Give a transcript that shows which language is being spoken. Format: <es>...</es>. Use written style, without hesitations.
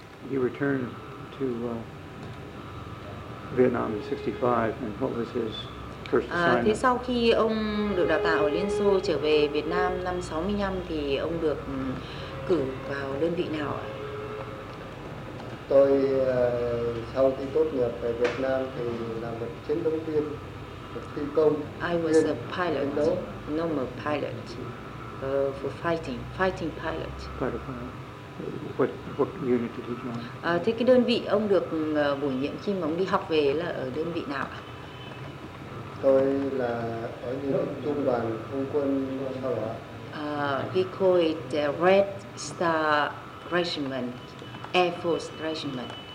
<en>He returned to Vietnam in 65, and what was his</en> <vi>Thế sau khi ông được đào tạo ở Liên Xô trở về Việt Nam năm 65 thì ông được cử vào đơn vị nào ạ? Tôi sau khi tốt nghiệp về Việt Nam thì làm một chiến đấu viên, một phi công.</vi> <en>I was a pilot, normal pilot, for fighting pilot. What unit did he join?</en> <vi>Thế cái đơn vị ông được bổ nhiệm khi mà ông đi học về là ở đơn vị nào ạ? Tôi là ở như trung đoàn không quân sao ạ?</vi> <en>We call it the Red Star Regiment, Air Force Regiment.</en>